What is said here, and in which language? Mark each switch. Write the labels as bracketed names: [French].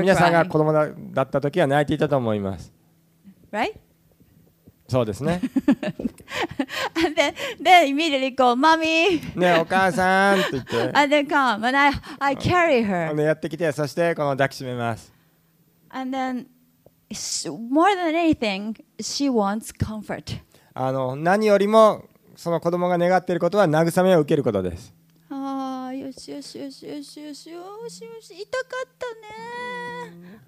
[Japanese] 皆さんが子供だった時は泣いていたと思います。 [English] Right? [Japanese] そうですね。 [English] And then immediately go, Mommy! [Japanese] ねお母さんって言って。 [English] And then come, and I carry her. [Japanese] やってきて、そしてこの抱きしめます。 [English] And then, more than anything, she wants comfort. [Japanese] 何よりも、その子供が願っていることは、慰めを受けることです。ああ、よしよしよしよしよしよしよし、痛かったね。